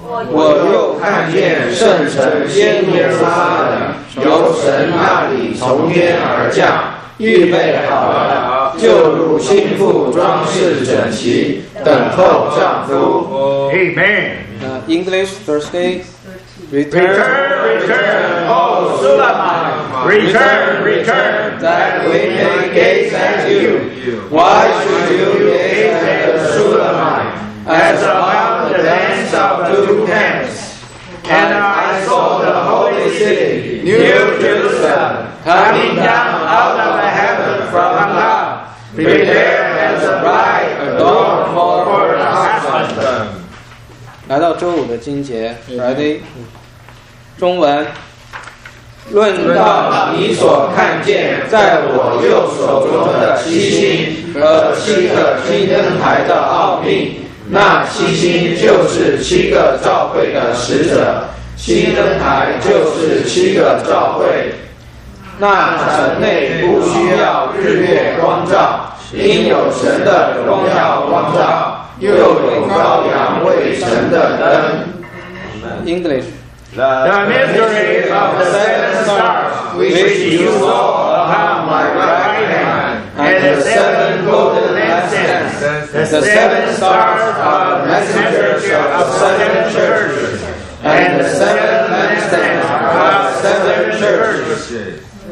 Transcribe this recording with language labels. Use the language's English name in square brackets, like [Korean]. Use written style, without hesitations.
[Chinese] 我又看见圣城耶路撒冷由神那里从天而降，预备好了，就如新妇装饰整齐，等候丈夫。 [English] Amen. English Thursday. Return, O Sulaiman, that we may gaze at you. Why should you gaze at the Sulaiman as upon the dance of two camps? And I saw the holy city, New Jerusalem, coming down out of the heaven from above. Prepare as a bride adorned for her husband. [Chinese] 来到周五的经节 Friday. 中文论到你所看见在我右手中的七星和七个金灯台的奥秘，那七星就是七个召会的使者，金灯台就是七个召会。那城内不需要日月光照，因有神的荣耀光照，又有羔羊为神的灯。 [English] English. The mystery of the seven stars which you saw upon my right hand, and the seven golden lampstands, the seven stars are the messengers of seven churches, and the seven lampstands are seven churches.